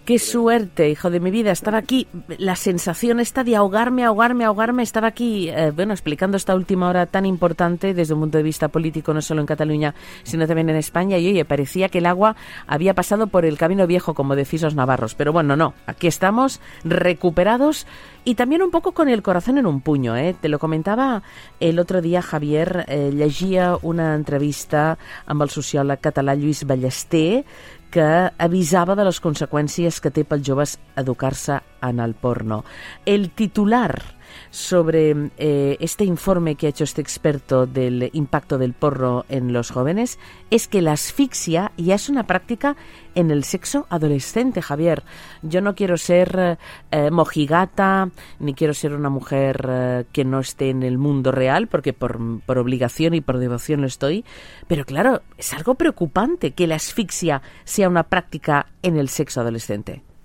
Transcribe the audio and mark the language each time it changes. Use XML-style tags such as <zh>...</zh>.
<es>Qué suerte, hijo de mi vida, estar aquí. La sensación esta de ahogarme, estar aquí, bueno, explicando esta última hora tan importante desde un punto de vista político, no solo en Cataluña, sino también en España. Y oye, parecía que el agua había pasado por el camino viejo, como decís los navarros. Pero bueno, no. Aquí estamos, recuperados. Y también un poco con el corazón en un puño, ¿eh? Te lo comentaba el otro día,</es> <ca>Javier, llegia una entrevista amb el sociòleg català Lluís Ballester que avisava de les conseqüències que té pels joves educar-se en el porno.</ca> <es>El titular sobre este informe que ha hecho este experto del impacto del porno en los jóvenes es que la asfixia ya es una práctica en el sexo adolescente, Javier. Yo no quiero ser mojigata, ni quiero ser una mujer que no esté en el mundo real, porque por obligación y por devoción lo estoy, pero claro, es algo preocupante que la asfixia sea una práctica en el sexo adolescente.</es>